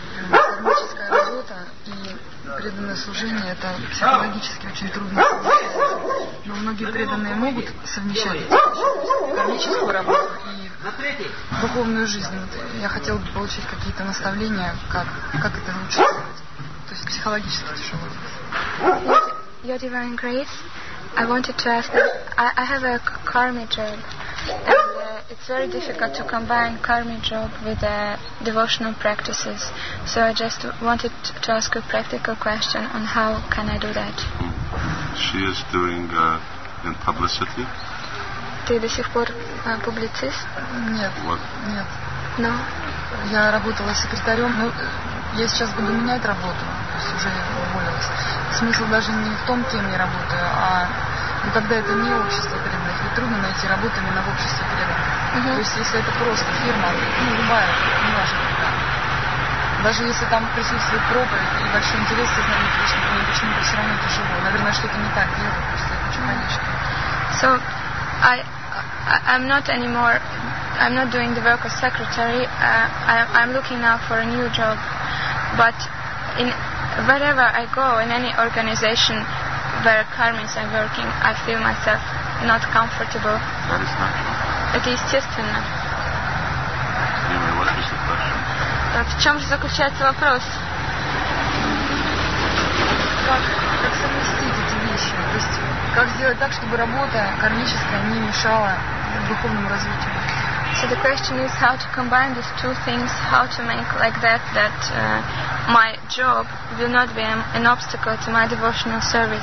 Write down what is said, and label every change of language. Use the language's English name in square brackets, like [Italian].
[Russian] Кармическая работа и преданное служение — это психологически очень трудно. Но многие преданные могут совмещать кармическую работу и духовную жизнь. Вот я хотела бы получить какие-то наставления, как это лучше сделать. То есть психологически тяжело. [English] Your divine grace, I wanted to ask that I have a karmic job. It's very difficult to combine karmic job with devotional practices. So I just wanted to ask a practical question on how can I do that. She is doing in publicity? [Russian] Ты до сих пор публицист? Нет. [English] What? [Russian] Нет. [English] No? [Russian] Я работала секретарем, но я сейчас буду менять работу. То есть уже уволилась. Смысл даже не в том, кем я работаю, а когда это не общество преданных, и трудно найти работу именно в обществе преданных. Uh-huh. То есть если это просто фирма, ну любая, неважно какая. Даже если там присутствует проповедь и большой интерес к знанию Кришны, то мне почему-то все равно тяжело. Наверное, что-то не так делают, просто я хочу маничку. [English] So, I'm not doing the work of secretary. I'm looking now for a new job. But in wherever I go, in any organization where karmis I'm working, I feel myself not comfortable. That is natural. [Russian] Это естественно. [English] What is the question? [Russian] В чем же заключается вопрос? Как совместить эти вещи? То есть как сделать так, чтобы работа кармическая не мешала духовному развитию? [English] So the question is how to combine these two things, how to make like that my job will not be an obstacle to my devotional service.